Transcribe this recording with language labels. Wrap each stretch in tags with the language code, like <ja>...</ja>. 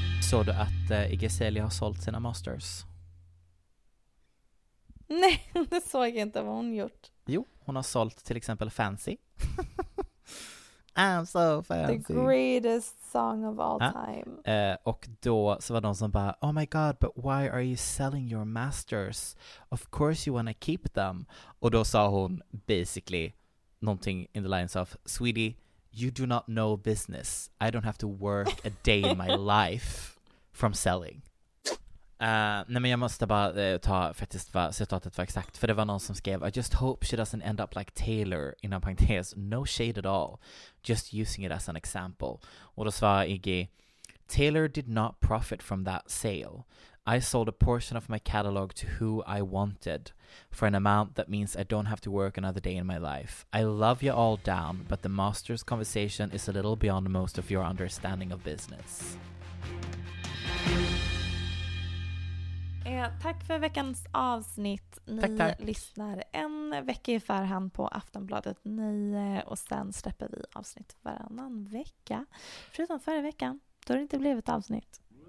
<sv>Såg du att Iggy Azalea har sålt sina masters? Nej, det såg jag inte vad hon gjort. Jo, hon har sålt till exempel Fancy.</sv> <en>I'm so fancy. The greatest song of all time.</en> <sv>Och då så var de som bara,</sv> <en>oh my god, but why are you selling your masters? Of course you wanna keep them.</en> <sv>Och då sa hon</sv> <en>basically</en> <sv>någonting</sv> <en>in the lines of, sweetie, you do not know business. I don't have to work a day in my life from selling.</en> <sv>Nej, men jag måste bara ta faktiskt vad citatet var exakt. För det var någon som skrev,</sv> <en>I just hope she doesn't end up like Taylor,</en> <sv>inom parentes,</sv> <en>no shade at all, just using it as an example.</en> <sv>Och då svarade Iggy,</sv> <en>Taylor did not profit from that sale. I sold a portion of my catalog to who I wanted for an amount that means I don't have to work another day in my life. I love you all down, but the master's conversation is a little beyond most of your understanding of business.</en> <sv>Tack för veckans avsnitt. Ni tack, tack. Lyssnar en vecka i förhand på Aftonbladet 9 och sen släpper vi avsnitt varannan vecka. Förutom förra veckan, då har det inte blivit avsnitt.</sv>